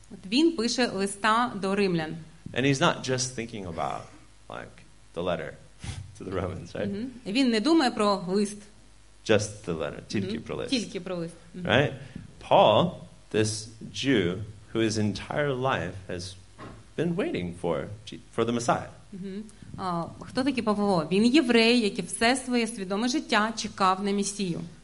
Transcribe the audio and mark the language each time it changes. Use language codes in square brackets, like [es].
[uk] От він пише листа до римлян. [en] And he's not just thinking about like the letter to the Romans, right? [uk] Він не думає про лист. [en] Just the letter, [uk] тільки про лист. Тільки про лист. [en] Right? Paul, this Jew who his entire life has been waiting for the Messiah. [uk] Хто такий Павло? Він єврей, який все своє свідоме життя чекав на Месію.